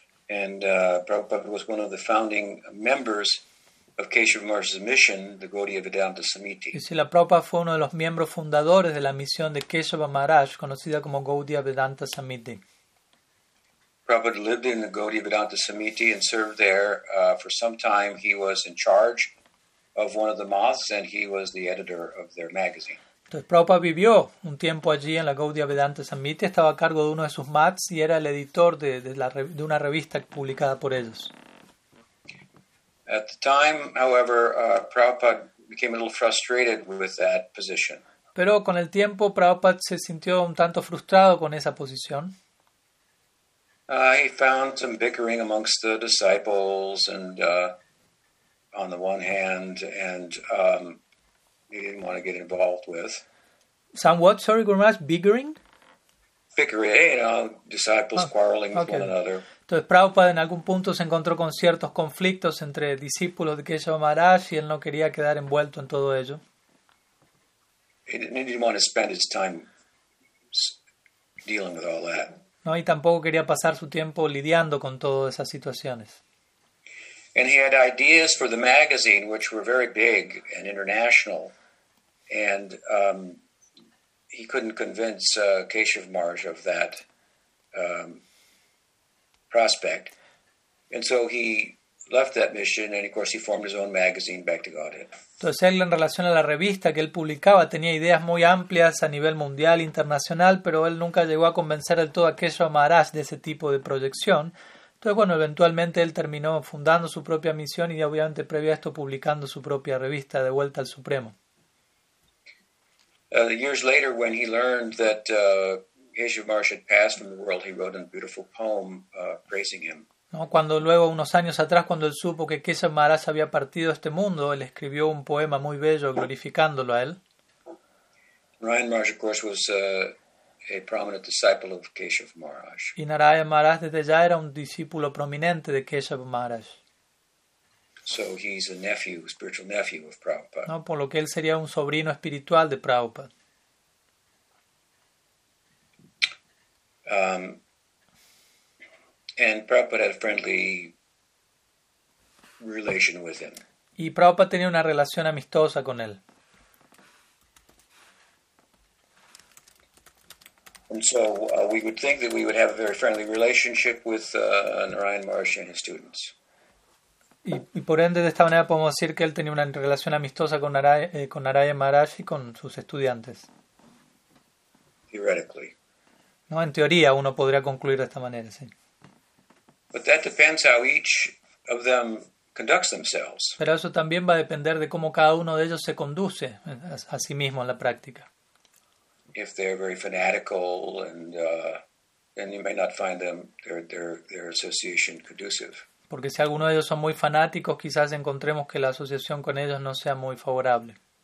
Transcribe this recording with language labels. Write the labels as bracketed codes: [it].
[en] And Prabhupada was one of the founding members of Keshava Maharaj's mission, the Gaudiya Vedanta Samiti. [es] Y Srila Prabhupada fue uno de los miembros fundadores de la misión de Keshava Maharaj, conocida como Gaudiya Vedanta Samiti. [en] Prabhupada lived in the Gaudiya Vedanta Samiti and served there for some time. He was in charge of one of the moths and he was the editor of their magazine. [es] Entonces, Prabhupada vivió un tiempo allí en la Gaudiya Vedanta Samiti, estaba a cargo de uno de sus moths y era el editor de una revista publicada por ellos. [en] At the time, however, Prabhupada became a little frustrated with that position. [es] Pero con el tiempo, Prabhupada se sintió un tanto frustrado con esa posición. [en] He found some bickering amongst the disciples, and on the one hand, and he didn't want to get involved with. Somewhat, sorry, Gurmash, bickering? Bickering, disciples quarreling with one another. [es] Entonces, Prabhupada en algún punto se encontró con ciertos conflictos entre discípulos de Keshava Maharaj y él no quería quedar envuelto en todo ello. [en] He didn't want to spend his time dealing with all that. [es] No, y tampoco quería pasar su tiempo lidiando con todas esas situaciones. [en] And he had ideas for the magazine, which were very big and international, and he couldn't convince Keshava Maharaj of that prospect. And so he left that mission and of course he formed his own magazine, Bhakti Godhead. [es] Entonces él, en relación a la revista que él publicaba, tenía ideas muy amplias a nivel mundial, internacional, pero él nunca llegó a convencer del todo a Keshava Maharaj de ese tipo de proyección. Entonces, bueno, eventualmente él terminó fundando su propia misión y obviamente previo a esto publicando su propia revista De Vuelta al Supremo. [en] Years later, when he learned that Keshava Maharaj had passed from the world, he wrote a beautiful poem praising him. [es] ¿no? Cuando luego, unos años atrás, cuando él supo que Kesava Maharaj había partido este mundo, él escribió un poema muy bello glorificándolo a él. [en] Narayan Maharaj, of course, was a prominent disciple of Kesava Maharaj. [es] Y Narayan Maharaj desde ya era un discípulo prominente de Kesava Maharaj. [en] So he's a nephew, a spiritual nephew of Prabhupada. [es] No, por lo que él sería un sobrino espiritual de Prabhupada. [en] And Prabhupada had a friendly relation with him. [es] Y Prabhupada tenía una relación amistosa con él. [en] And so we would think that we would have a very friendly relationship with Narayan Maharaj and his students. [es] Y por ende, de esta manera podemos decir que él tenía una relación amistosa con Narayan Maharaj y con sus estudiantes. [en] Theoretically. [es] No, en teoría uno podría concluir de esta manera, sí. [en] But that depends how each of them conducts themselves. [es] Pero eso también va a depender de cómo cada uno de ellos se conduce a sí mismo en la práctica. [en] If they're very fanatical and then you may not find them their association conducive. [es] Porque si alguno de ellos son muy fanáticos, quizás encontremos que la asociación con ellos no sea muy favorable.